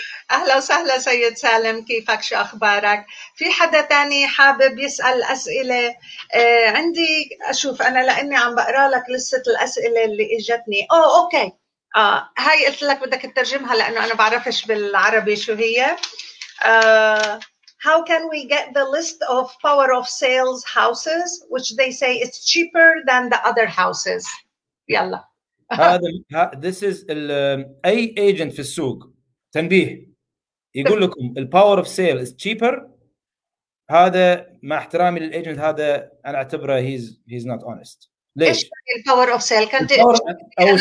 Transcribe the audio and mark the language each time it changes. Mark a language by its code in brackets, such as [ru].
[ar] اهلا وسهلا سيد سالم، كيفك؟ شو اخبارك؟ في حدا تاني حابب يسأل اسئله؟ عندي اشوف انا لاني عم بقرا لك لسه الاسئله اللي اجتني. اوكي، هاي قلت لك بدك تترجمها لأنه أنا بعرفش بالعربي شو هي. [en] How can we get the list of power of sales houses which they say it's cheaper than the other houses؟ [ar] يلا. هذا [en] this is [ar] أي agent في السوق تنبيه يقول لكم [en] the power of sale is cheaper، [ar] هذا مع احترامي للagent هذا أنا أعتبره [en] he's not honest. [ar] ليش؟ الباور اوف سيل